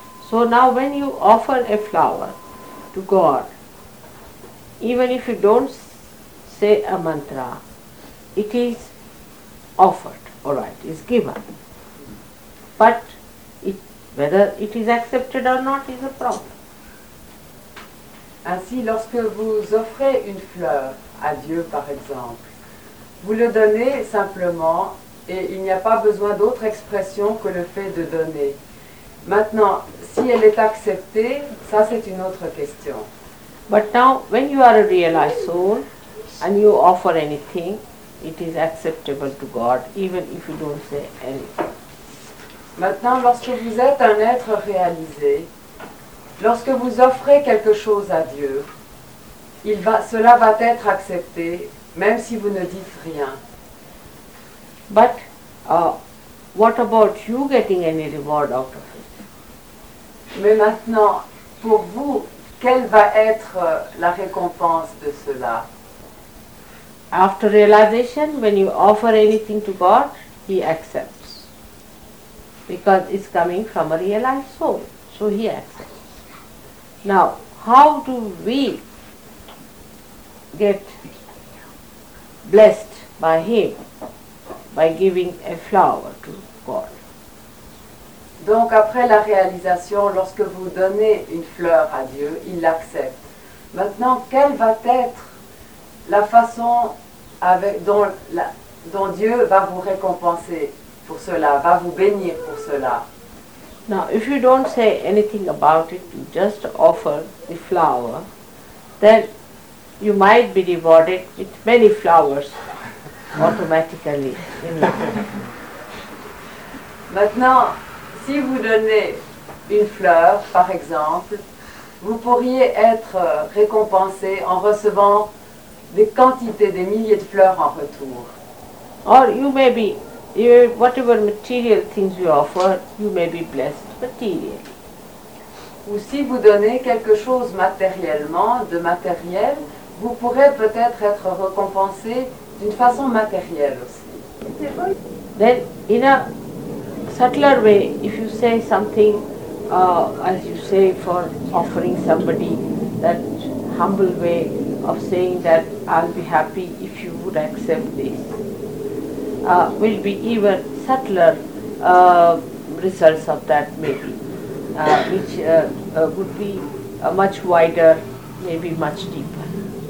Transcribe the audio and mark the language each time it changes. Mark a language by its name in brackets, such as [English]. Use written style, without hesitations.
[English] So now when you offer a flower to God, even if you don't say a mantra, it is offered, all right, it's given. But whether it is accepted or not is a problem. [French] Ainsi, lorsque vous offrez une fleur à Dieu, par exemple, vous le donnez simplement et il n'y a pas besoin d'autre expression que le fait de donner. Maintenant, si elle est acceptée, ça c'est une autre question. [English] But now, when you are a realized soul and you offer anything, it is acceptable to God, even if you don't say anything. [French] Maintenant, lorsque vous êtes un être réalisé, lorsque vous offrez quelque chose à Dieu, cela va être accepté, même si vous ne dites rien. [English] But what about you getting any reward out of it? [French] Mais maintenant, pour vous, quelle va être la récompense de cela? [English] After realization, when you offer anything to God, He accepts. Because it's coming from a realized soul, so He accepts. Now, how do we get blessed by Him? by giving a flower to God. [French] Donc après la réalisation, lorsque vous donnez une fleur à Dieu, il l'accepte. Maintenant, quelle va être la façon avec, dont, la, dont Dieu va vous récompenser pour cela, va vous bénir pour cela? [English] Now, if you don't say anything about it, you just offer the flower, then you might be rewarded with many flowers automatically in your life. [French] Maintenant, si vous donnez une fleur, par exemple, vous pourriez être récompensé en recevant des quantités, des milliers de fleurs en retour. [English] Or you may be, whatever material things you offer, you may be blessed materially. [French] Ou si vous donnez quelque chose matériellement, de matériel, vous pourrez peut-être être récompensé d'une façon matérielle aussi. [English] Then, in a subtler way, if you say something, as you say for offering somebody, that humble way of saying that I'll be happy if you would accept this, will be even subtler results of that maybe, which would be a much wider, maybe much deeper.